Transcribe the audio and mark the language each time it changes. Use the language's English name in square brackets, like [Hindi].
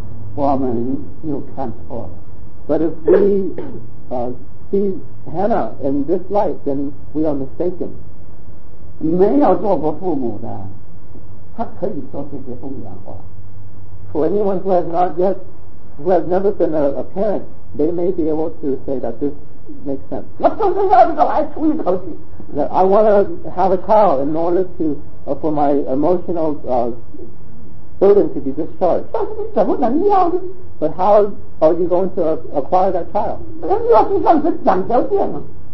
[Chinese] 那比如说，若是我们这样看汉娜，我们又看错了。 [English] But if we see Hannah in this light, then we are mistaken. [Chinese] 没有做过父母的，他可以说这些风凉话。 [English] For anyone who has not yet. Who has never been a parent, they may be able to say that this makes sense. That I want to have a child in order to for my emotional burden to be discharged. But how are you going to acquire that child?